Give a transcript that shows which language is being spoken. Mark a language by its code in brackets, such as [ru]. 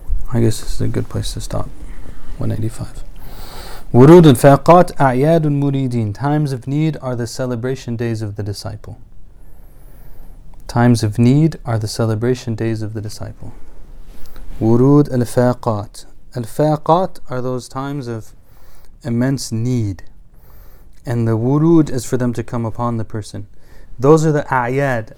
[en] I guess this is a good place to stop. 185. [ar] ورود الفاقات أعياد المريدين. [en] Times of need are the celebration days of the disciple. Times of need are the celebration days of the disciple. [ar] ورود الفاقات. الفاقات [en] are those times of immense need. And the ورود is for them to come upon the person. Those are the أعياد.